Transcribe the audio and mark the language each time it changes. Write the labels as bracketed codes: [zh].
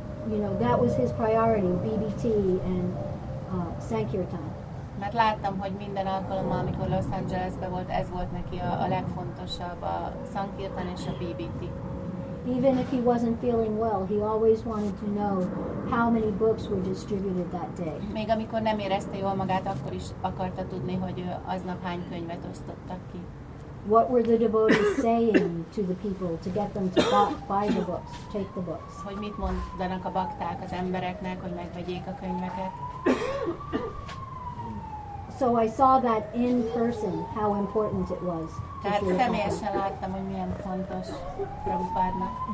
[en] You know, that was his priority, BBT and Sankirtan. [hu] Mert láttam, hogy minden alkalommal, amikor Los Angelesben volt, ez volt neki a legfontosabb, a Sankirtan és a BBT. [en] Even if he wasn't feeling well, he always wanted to know how many books were distributed that day. [hu] Még amikor nem érezte jól magát, akkor is akarta tudni, hogy aznap hány könyvet osztottak ki. [en] What were the devotees saying to the people to get them to buy the books, take the books? [hu] Hogy mit mondanak a bakták az embereknek, hogy megvegyék a könyveket? [en] So I saw that in person how important it was. [hu] Tehát személyesen láttam, hogy milyen fontos Prabhupádnak.